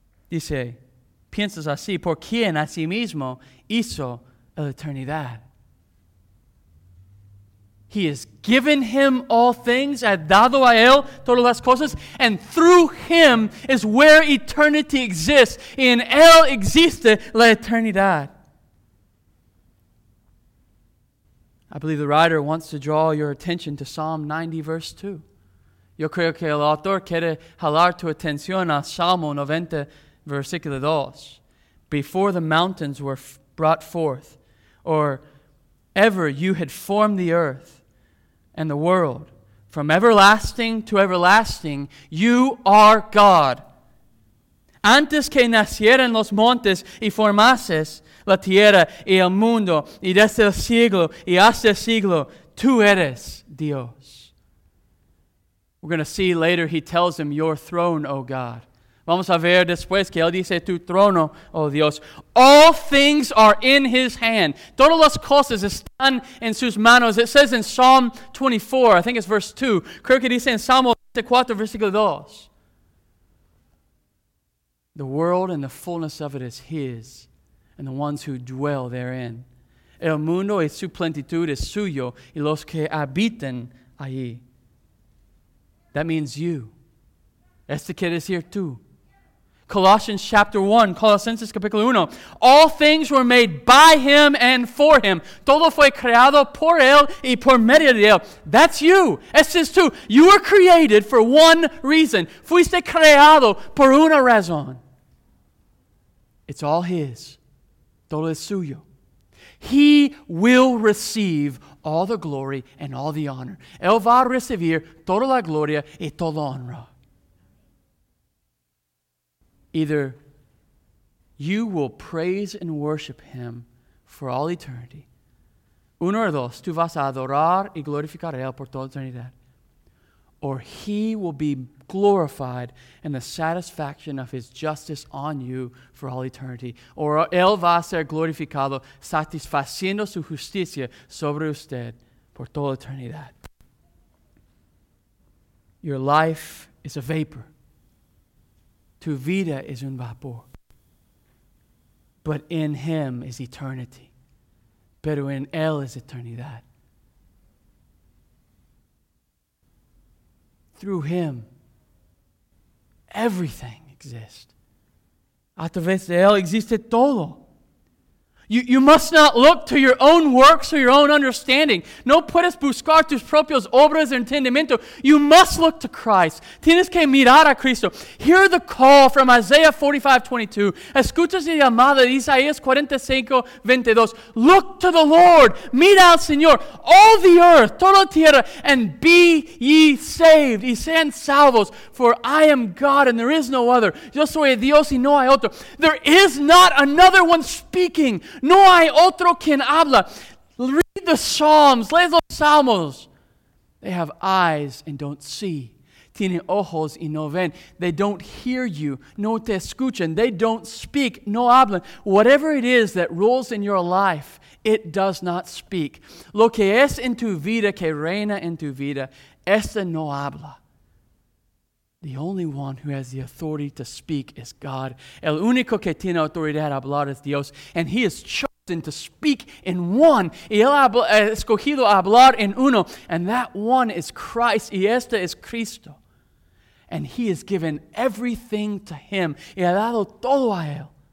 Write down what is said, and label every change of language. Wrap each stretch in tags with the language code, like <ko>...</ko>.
<es>Dice, piensas así, por quien a sí mismo hizo la eternidad.</es> <en>He has given him all things,</en> <es>ha dado a él todas las cosas,</es> <en>and through him is where eternity exists.</en> <es>Y en él existe la eternidad.</es> <en>I believe the writer wants to draw your attention to Psalm 90, verse 2.</en> <es>Yo creo que el autor quiere jalar tu atención a Salmo 90, versículo 2.</es> <en>Before the mountains were brought forth, or ever you had formed the earth and the world, from everlasting to everlasting, you are God.</en> <es>Antes que nacieran los montes y formases la tierra y el mundo, y desde el siglo y hasta el siglo, tú eres Dios.</es> <en>We're going to see later he tells him, your throne, O God.</en> <es>Vamos a ver después que él dice, tu trono, oh Dios.</es> <en>All things are in his hand.</en> <es>Todas las cosas están en sus manos.</es> <en>It says in Psalm 24, I think it's verse 2.</en> <es>Creo que dice en Salmo 24, versículo 2.</es> <en>The world and the fullness of it is his, and the ones who dwell therein.</en> <es>El mundo y su plenitud es suyo, y los que habitan allí.</es> <en>That means you.</en> <es>Este quiere decir tú. Colossians chapter 1, Colossenses capítulo 1.</es> <en>All things were made by him and for him.</en> <es>Todo fue creado por él y por medio de él.</es> <en>That's you.</en> <es>Este es tú.</es> <en>You were created for one reason.</en> <es>Fuiste creado por una razón.</es> <en>It's all his.</en> <es>Todo es suyo.</es> <en>He will receive all the glory and all the honor.</en> <es>Él va a recibir toda la gloria y toda la honra.</es> <en>Either you will praise and worship him for all eternity.</en> <es>Uno o dos, tú vas a adorar y glorificar a él por toda eternidad.</es> <en>or he will be glorified in the satisfaction of his justice on you for all eternity.</en> <es>Or él va a ser glorificado satisfaciendo su justicia sobre usted por toda eternidad.</es> <en>Your life is a vapor.</en> <es>Tu vida es un vapor.</es> <en>But in him is eternity.</en> <es>Pero en él es eternidad.</es> <en>Through him, everything exists.</en> <es>A través de él existe todo.</es> <en>You must not look to your own works or your own understanding.</en> <es>No puedes buscar tus propias obras de entendimiento.</es> <en>You must look to Christ.</en> <es>Tienes que mirar a Cristo.</es> <en>Hear the call from Isaiah 45:22.</en> <es>Escuchas la llamada de Isaías 45:22.</es> <en>Look to the Lord.</en> <es>Mira al Señor.</es> <en>All the earth,</en> <es>toda tierra,</es> <en>and be ye saved.</en> <es>Y sean salvos.</es> <en>For I am God and there is no other.</en> <es>Yo soy Dios y no hay otro.</es> <en>There is not another one speaking.</en> <es>No hay otro quien habla.</es> <en>Read the Psalms.</en> <es>Lee los Salmos.</es> <en>They have eyes and don't see.</en> <es>Tienen ojos y no ven.</es> <en>They don't hear you.</en> <es>No te escuchan.</es> <en>They don't speak.</en> <es>No hablan.</es> <en>Whatever it is that rules in your life, it does not speak.</en> <es>Lo que es en tu vida, que reina en tu vida, ese no habla.</es> <en>The only one who has the authority to speak is God.</en> <es>El único que tiene autoridad a hablar es Dios.</es> <en>And he has chosen to speak in one.</en> <es>Y él ha escogido hablar en uno.</es> <en>And that one is Christ.</en> <es>Y este es Cristo.</es> <en>And he has given everything to him.</en> <es>Y ha dado todo a él.</es>